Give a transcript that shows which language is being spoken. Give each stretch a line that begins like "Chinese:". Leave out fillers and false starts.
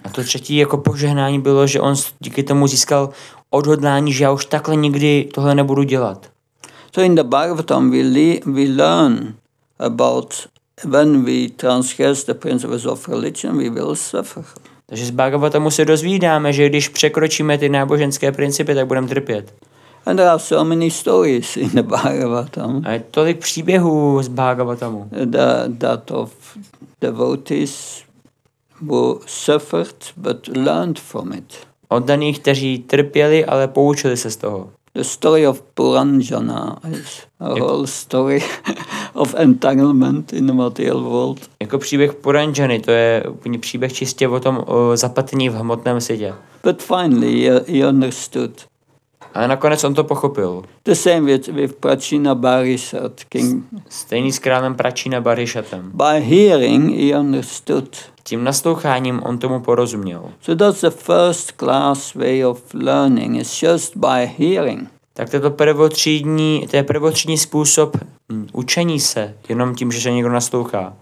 Czech: A to třetí jako požehnání bylo, že on díky tomu získal odhodlání, že já už takhle nikdy tohle nebudu dělat.
English: So in the Bhagavatam we learn about when we transgress the principles of religion, we will suffer.
Czech: Takže z Bhagavatamu se dozvídáme, že když překročíme ty náboženské principy, tak budeme trpět.
English: And there are so many stories in the Bhagavatam.
Czech: A je tolik příběhů z Bhagavatamu.
English: That of devotees who suffered but learned from it.
Czech: Oddaných, kteří trpěli, ale poučili se z toho.
English: The story of Puranjana is a whole story of entanglement in the material world.
Czech: Jako příběh Puranjany, to je úplně příběh čistě o tom zapatení v hmotném světě.
English: But finally he understood.
Czech: Ale nakonec on to pochopil.
English: The same with Prachina Barishat, King.
Czech: Stejný s králem Prachina Barishatem.
English: By hearing he understood.
Czech: Tím nasloucháním on tomu porozuměl.
English: So that's the first class way of learning, it's just by hearing.
Czech: Tak to je prvotřídní způsob učení se, jenom tím, že se někdo naslouchá.